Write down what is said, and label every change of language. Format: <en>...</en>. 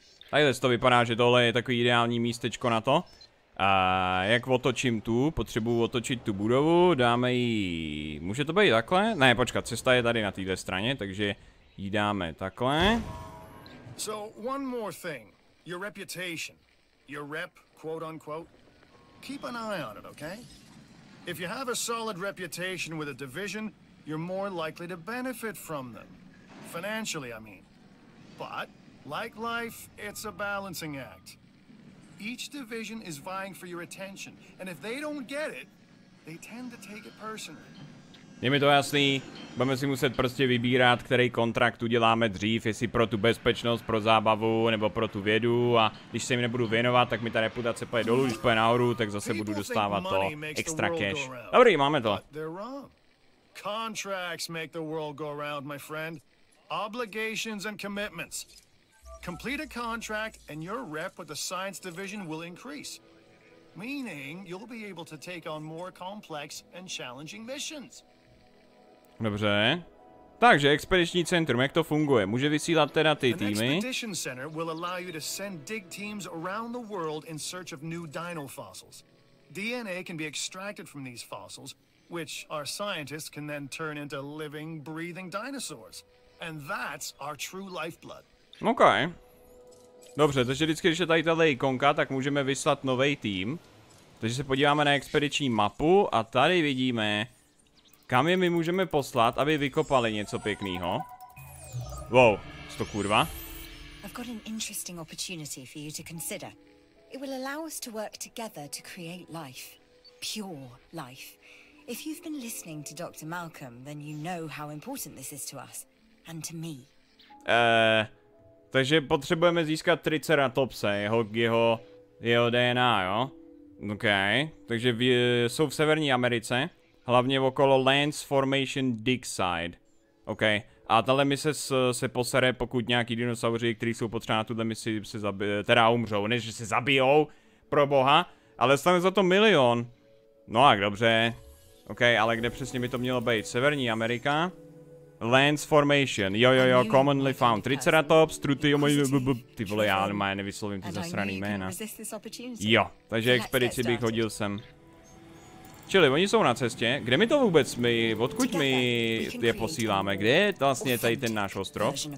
<cs>Tadyhle to vypadá, že tohle je takový ideální místečko na to. A jak otočím tu, potřebuji otočit tu budovu, dáme ji. Může to být takhle? Ne, počkat, cesta je tady na téhle straně, takže jí dáme takhle.</cs> <en>So one more thing, your reputation, your rep, quote unquote. Keep an eye on it, okay? If you have a solid reputation with a division, you're more likely to benefit from them. Financially, I mean. But like life, it's a balancing act. Each division is vying for your attention, and if they don't get it, they tend to take it personally.</en> <cs>Je mi to jasný. Budeme si muset prostě vybírat, který kontrakt uděláme dřív, jestli pro tu bezpečnost, pro zábavu, nebo pro tu vědu, a když se jim nebudu věnovat, tak mi ta reputace půjde dolů, když půjde nahoru, tak zase budu dostávat to extra cash. Dobrý, máme to.</cs> <en>Contracts make the world go round, my friend. Obligations and commitments. Complete a contract and your rep with the science division will increase. Meaning you'll be able to take on more complex and challenging missions.</en> <cs>Dobře. Takže expediční centrum, jak to funguje? Může vysílat teda ty týmy?</cs> <en>An expedition center will allow you to send dig teams around the world in search of new dino fossils. DNA can be extracted from these fossils, which our scientists can then turn into living, breathing dinosaurs. And that's our true lifeblood. OK.</en> <cs>Dobře, takže vždycky, když je tady tato ikonka, tak můžeme vyslat nový tým. Takže se podíváme na expediční mapu a tady vidíme, kam je my můžeme poslat, aby vykopali něco pěkného. Wow, to kurva.</cs> <en>I've got an interesting opportunity for you to consider. It will allow us to work together to create life. Pure life. If you've been listening to Dr. Malcolm, then you know how important this is to us and to me.</en> <cs>Takže potřebujeme získat Triceratopse, jeho DNA, jo? OK, takže jsou v Severní Americe, hlavně okolo Lance Formation Dig Site. OK, a tahle mise se posere, pokud nějaký dinosauři, kteří jsou potřeba na tuhle misi, teda umřou, než že se zabijou, pro boha, ale stane za to milion. No a dobře. OK, ale kde přesně by to mělo být? Severní Amerika?</cs> <en>Lance Formation, jo, commonly found.</en> <cs>Triceratops, ty vole, já nevyslovím ty zasraný jména. Jo, takže expedici bych hodil sem. Čili, oni jsou na cestě, kde mi to vůbec, my, odkud my je posíláme, kde je to vlastně tady ten náš ostrov?</cs>